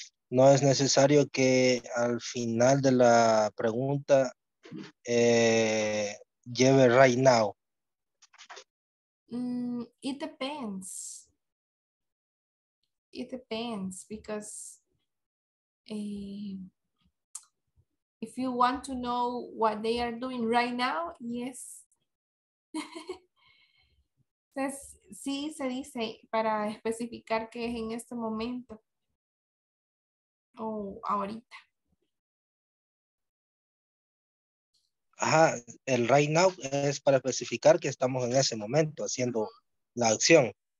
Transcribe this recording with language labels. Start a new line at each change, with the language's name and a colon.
Spanish: ¿No es necesario que al final de la pregunta lleve right now?
English: It depends. It depends because if you want to know what they are doing right now, yes.
Spanish: Entonces, sí se dice para especificar que es en este momento o ahorita. Ajá, el right now es para especificar que estamos en ese momento haciendo la acción.